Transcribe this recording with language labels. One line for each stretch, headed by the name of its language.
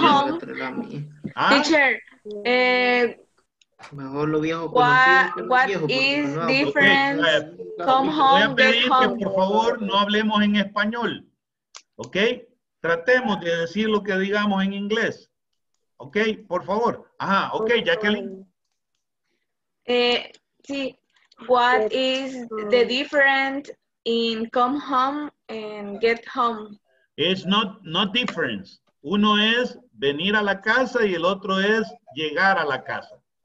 English: home. Teacher, what is difference? Okay, come home,
Spanish: voy a pedir
English: get home.
Spanish: Que por favor no hablemos en español. Okay? Tratemos de decir lo que digamos en inglés. Okay? Por favor. Ajá, okay, Jacqueline.
English: Sí, what is the difference in come home and get home? It's not difference.
Spanish: Uno es venir a la casa y el otro es llegar a la casa.